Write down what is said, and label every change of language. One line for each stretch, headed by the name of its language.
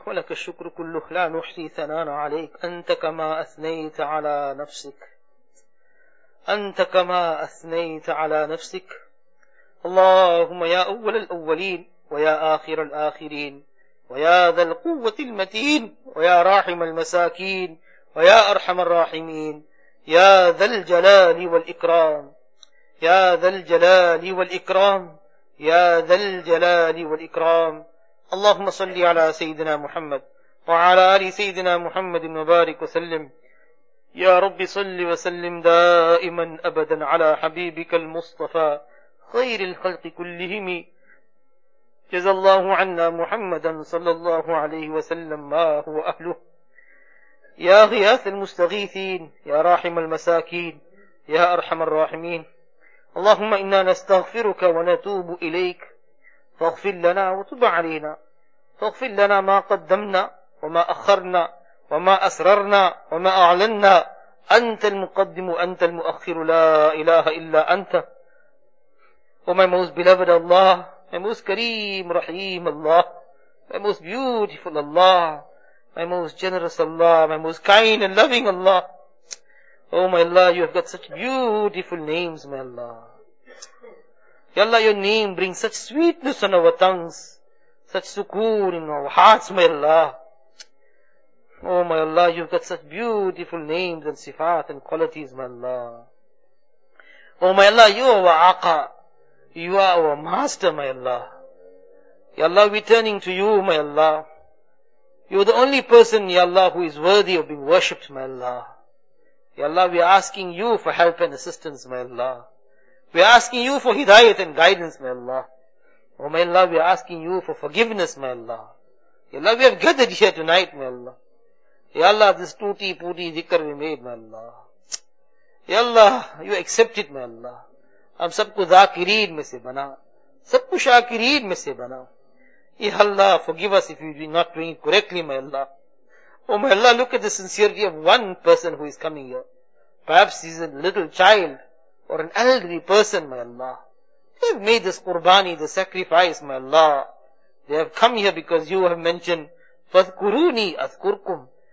Arabic: الشكر كله لا نحصي ثناء عليك أنت كما أثنيت على نفسك أنت كما أثنيت على نفسك اللهم يا أول الأولين ويا آخر الآخرين ويا ذا القوة المتين ويا راحم المساكين ويا أرحم الراحمين يا ذا الجلال والإكرام يا ذا الجلال والإكرام يا ذا الجلال والإكرام. اللهم صل على سيدنا محمد وعلى آل سيدنا محمد وبارك وسلم. يا رب صل وسلم دائما أبدا على حبيبك المصطفى خير الخلق كلهم. جزى الله عنا محمدا صلى الله عليه وسلم ما هو أهله. يا غياث المستغيثين يا راحم المساكين يا أرحم الراحمين. اللهم إنا نستغفرك ونتوب إليك فاغفر لنا وتب علينا. فاغفر لنا ما قدمنا وما أخرنا وما أسررنا وما أعلنا. أنت المقدم وأنت المؤخر لا إله إلا أنت.
English: My most beloved Allah, my most Kareem Rahim Allah, my most beautiful Allah, my most generous Allah, my most kind and loving Allah. Oh my Allah, you have got such beautiful names, my Allah. Ya Allah, your name brings such sweetness on our tongues, such sukoon in our hearts, my Allah. Oh my Allah, you've got such beautiful names and sifat and qualities, my Allah. Oh my Allah, you are our aqa. You are our master, my Allah. Ya Allah, we're turning to you, my Allah. You're the only person, Ya Allah, who is worthy of being worshipped, my Allah. Ya Allah, we're asking you for help and assistance, my Allah. We're asking you for hidayat and guidance, my Allah. Oh my Allah, we're asking you for forgiveness, my Allah. Ya Allah, we have gathered here tonight, my Allah. Ya Allah, this
Urdu: tooti pooti
English: dhikr we made, my Allah. Ya Allah, you accept it, my Allah.
Urdu: ہم سب کو ذاکرین میں سے بنا, سب کو شاکرین میں سے بنا. اے اللہ,
English: forgive us if we are not doing it correctly, my Allah. Oh my Allah, look at the sincerity of one person who is coming here. Perhaps he's a little child or an elderly person, my Allah. They have made this qurbani, the sacrifice, my Allah. They have come here because you have mentioned,
Arabic: فَذْكُرُونِي أَذْكُرْكُمْ.